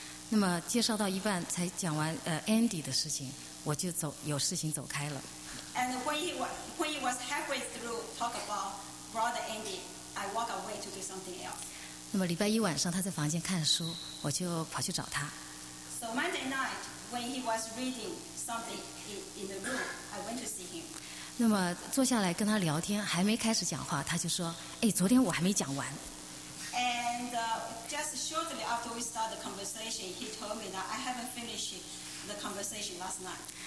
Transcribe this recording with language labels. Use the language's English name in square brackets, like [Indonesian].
[Chinese] 那么介绍到一半才讲完Andy 的事情，我就走有事情走开了。 [English] And when he was halfway through talk about brother Andy, I walk away to do something else. [Chinese] 那么礼拜一晚上他在房间看书，我就跑去找他。 [English] So Monday night when he was reading something in the room, I went to see him. [Chinese] 那么坐下来跟他聊天，还没开始讲话，他就说：“哎，昨天我还没讲完。” [English] And just shortly after we start the conversation, he told me that I haven't finished the conversation last night.